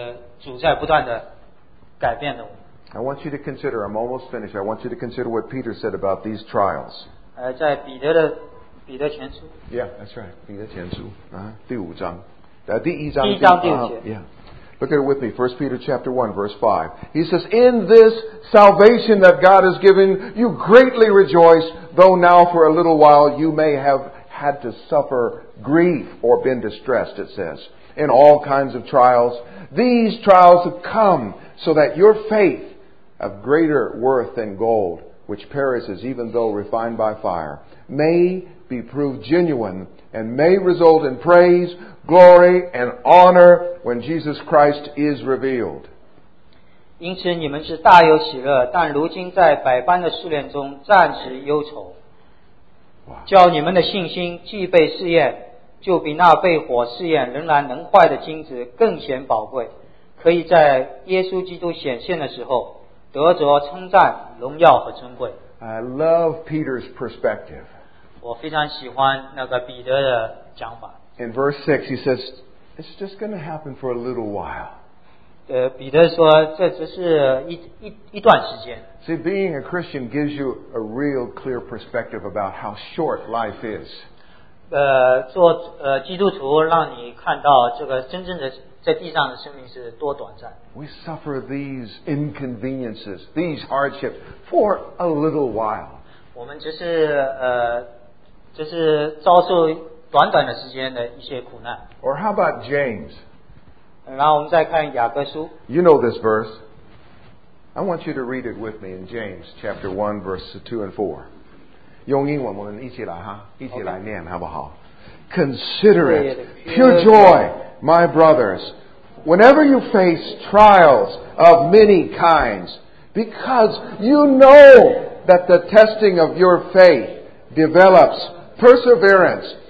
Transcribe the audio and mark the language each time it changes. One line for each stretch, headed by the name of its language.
Chinese: 但是这是有生命，是主在不断的改变的我们。
English: I want you to consider, I'm almost finished, I want you to consider what Peter said about these trials.
Chinese: 在彼得的前书。
English: Yeah, that's right,
Chinese: 彼得前书,第五章。第一章, 第五节。
English: Yeah. Look at it with me, 1 Peter chapter 1, verse 5. He says, in this salvation that God has given, you greatly rejoice, though now for a little while you may have had to suffer grief or been distressed, it says, in all kinds of trials. These trials have come so that your faith of greater worth than gold, which perishes even though refined by fire, may be proved genuine and may result in praise, glory, and honor when Jesus Christ is revealed.
Chinese: 因此你们是大有喜乐，但如今在百般的试炼中暂时忧愁，叫你们的信心既被试验，就比那被火试验仍然能坏的金子更显宝贵，可以在耶稣基督显现的时候得着称赞、荣耀和尊贵。
English: I love Peter's perspective.
Chinese: 我非常喜欢那个彼得的讲法。
English: In verse 6 he says, it's just going to happen for a little while.
Chinese: 彼得说这只是 一段时间。
English: See, being a Christian gives you a real clear perspective about how short life is.
Chinese: 做基督徒让你看到这个真正的在地上的生命是多短暂。
English: We suffer these inconveniences, these hardships for a little while.
Chinese: 我们只是遭受短短的时间的一些苦难。
English: Or how about James?
Chinese: 然后我们再看雅各书。
English: You know this verse. I want you to read it with me in James chapter 1 verse 2 and 4.
Chinese: 用英文我们一起来哈，一起来念、
English: okay.
Chinese: 好不好？
English: Consider it pure joy, my brothers, whenever you face trials of many kinds, because you know that the testing of your faith develops perseverance.